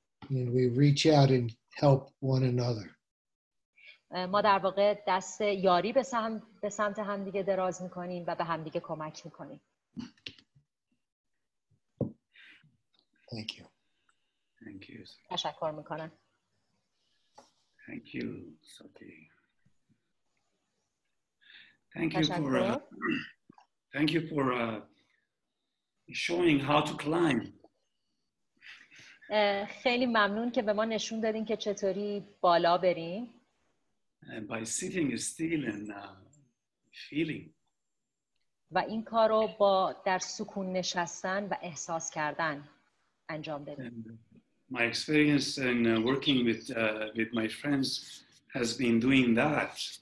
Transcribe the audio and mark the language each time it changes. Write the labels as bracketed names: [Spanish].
[English] And we reach out and help one another. [Persian] ما در واقع دست یاری به سمت هم دیگه دراز میکنیم و به هم دیگه کمک میکنیم. [English] Thank you. Thank you. [Persian] تشکر میکنن. [English] Thank you, Saki. Thank you for showing how to climb. [Persian] خیلی ممنون که به ما نشون دادین که چطوری بالا بریم. [English] By sitting still and feeling. [Persian] و این کارو با در سکون نشستن و احساس کردن انجام بدیم. [English] My experience in working with my friends has been doing that.